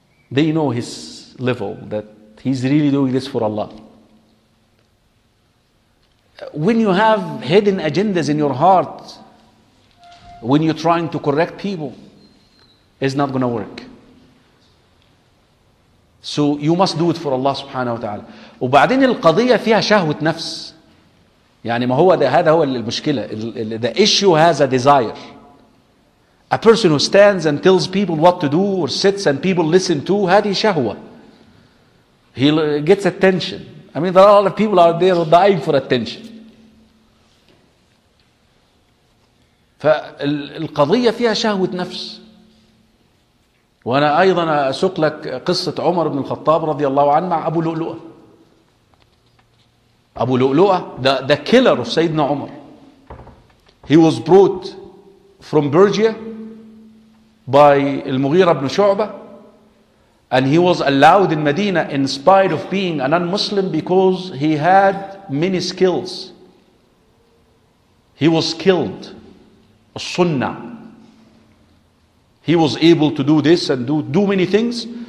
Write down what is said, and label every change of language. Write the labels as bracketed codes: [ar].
[en] They know his level, that he's really doing this for Allah. When you have hidden agendas in your heart, when you're trying to correct people, it's not going to work. So you must do it for Allah subhanahu wa ta'ala. [ar] وبعدين القضية فيها شهوة نفس. يعني ما هو ده, هذا هو المشكلة. [en] The issue has a desire. A person who stands and tells people what to do or sits and people listen to, هذه شهوة. He gets attention. I mean, there are a lot of people out there dying for attention. [ar] فالقضية فيها شهوة نفس. وأنا أيضا أسوق لك قصة عمر بن الخطاب رضي الله عنه مع أبو لؤلؤة. [en] أبو لؤلؤة the killer of سيدنا عمر. He was brought from Persia by المغيرة بن شعبة, and he was allowed in Medina in spite of being a non-Muslim because he had many skills. He was skilled, sunnah. He was able to do this and do many things.